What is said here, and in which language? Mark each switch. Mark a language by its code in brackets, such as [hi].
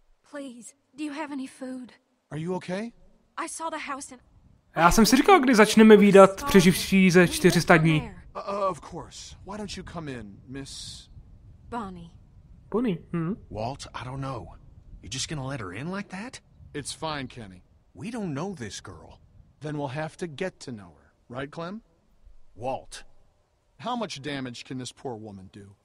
[en] Please, do you have any food? Are you okay? I saw the house and... [cs] Já jsem si říkal, kdy začneme vídat přeživší ze 400 dní. [en] Of course. Why don't you come in, Miss... Bonnie. Bonnie, Walt, I don't know. You're just gonna let her in like that? It's fine, Kenny. We don't know this girl. Then we'll have to get to know her. Right, Clem? Walt. How much damage can this poor woman do?